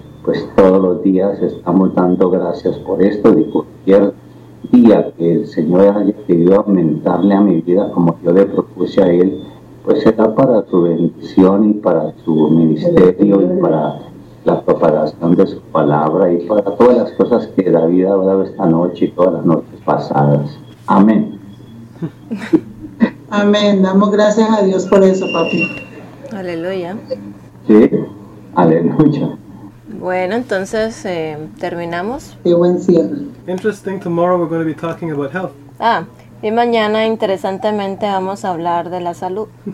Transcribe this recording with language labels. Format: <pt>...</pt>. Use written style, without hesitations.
<es>Pues todos los días estamos dando gracias por esto, de cualquier día que el Señor haya querido aumentarle a mi vida como yo le propuse a Él, pues será para su bendición y para su ministerio y para la propagación de su palabra y para todas las cosas que David ha dado esta noche y todas las noches pasadas. Amén. Amén. Damos gracias a Dios por eso, papi. Aleluya. Sí, aleluya. Bueno, entonces, ¿terminamos? Qué buen cierre.</es> <en>Interesting, tomorrow we're going to be talking about health.</en> <es>Ah, y mañana, interesantemente, vamos a hablar de la salud.</es>